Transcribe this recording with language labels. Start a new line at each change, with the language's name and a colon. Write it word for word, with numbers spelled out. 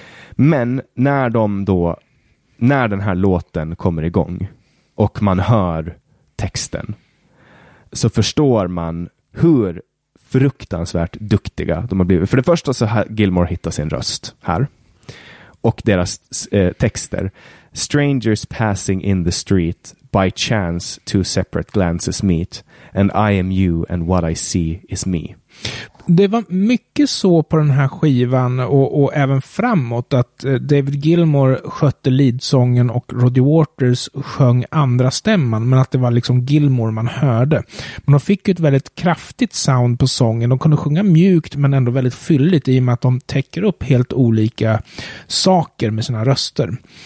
Swedish: Men när de då, när den här låten kommer igång och man hör texten så förstår man hur fruktansvärt duktiga de har blivit. För det första så här, Gilmore hittar sin röst här. Och deras eh, texter.
English: Strangers passing in the street. By chance two separate glances meet. And I am you and what I see is me.
Swedish: Det var mycket så på den här skivan och, och även framåt att David Gilmour skötte leadsången och Roddy Waters sjöng andra stämman, men att det var liksom Gilmour man hörde. Men de fick ju ett väldigt kraftigt sound på sången. De kunde sjunga mjukt men ändå väldigt fylligt i och med att de täcker upp helt olika saker med sina röster.